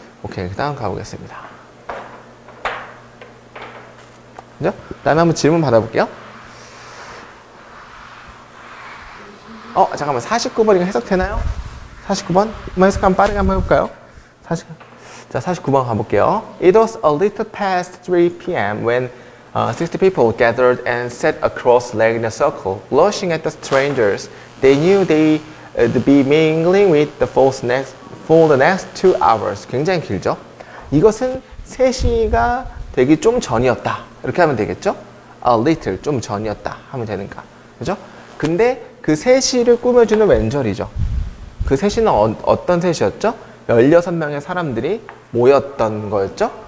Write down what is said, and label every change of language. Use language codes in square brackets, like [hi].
[ko] 오케이, 그 다음 가보겠습니다. 그죠? 다음에 한번 질문 받아볼게요. 잠깐만, 49번 이거 해석되나요? 49번? 뭐 해석 한번 빠르게 한번 해볼까요? 자, 49번 가볼게요. [en] It was a little past 3 p.m. when 60 people gathered and sat across leg in a circle, blushing at the strangers. They knew they'd be mingling with the folks next, for the next 2 hours. [ko] 굉장히 길죠? 이것은 3시가 되기 좀 전이었다. 이렇게 하면 되겠죠? [en] A little, [ko] 좀 전이었다 하면 되니까. 그죠? 근데 그 3시를 꾸며주는 웬절이죠? 그 3시는 어떤 3시였죠? 16명의 사람들이 모였던 거였죠?